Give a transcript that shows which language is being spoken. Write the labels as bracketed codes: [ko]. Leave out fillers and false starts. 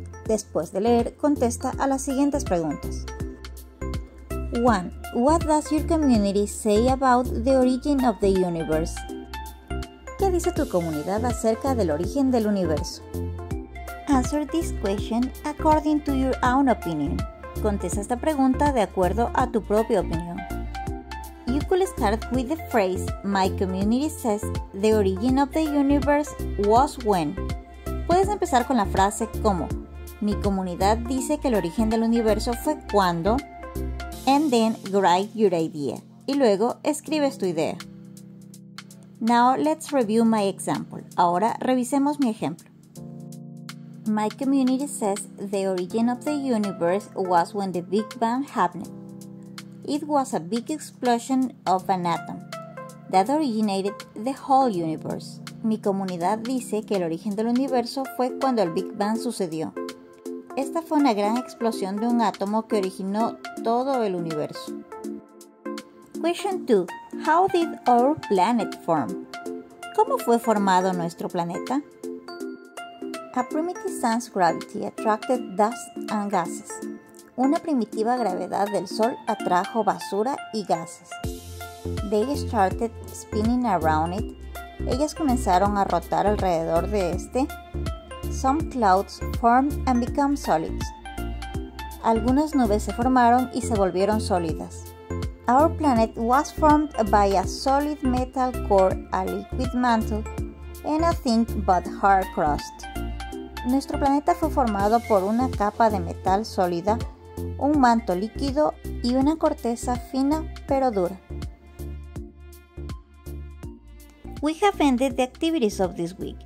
[es] Después de leer, contesta a las siguientes preguntas. 1. [en] What does your community say about the origin of the universe? [es] ¿Qué dice tu comunidad acerca del origen del universo? [en] Answer this question according to your own opinion. [es] Contesta esta pregunta de acuerdo a tu propia opinión. [en] You could start with the phrase, my community says the origin of the universe was when. [es] Puedes empezar con la frase como, mi comunidad dice que el origen del universo fue cuando. [en] And then write your idea. [es] Y luego escribes tu idea. [en] Now let's review my example. [es] Ahora revisemos mi ejemplo. [en] My community says the origin of the universe was when the Big Bang happened. It was a big explosion of an atom that originated the whole universe. [es] Mi comunidad dice que el origen del universo fue cuando el Big Bang sucedió. Esta fue una gran explosión de un átomo que originó todo el universo. [en] Question 2. How did our planet form? [es] ¿Cómo fue formado nuestro planeta? [en] A primitive sun's gravity attracted dust and gases. [es] Una primitiva gravedad del Sol atrajo basura y gases. [en] They started spinning around it. [es] Ellas comenzaron a rotar alrededor de este. [en] Some clouds formed and became solids. [es] Algunas nubes se formaron y se volvieron sólidas. [en] Our planet was formed by a solid metal core, a liquid mantle, and a thin but hard crust. [es] Nuestro planeta fue formado por una capa de metal sólida, un manto líquido y una corteza fina pero dura. [en] We have ended the activities of this week.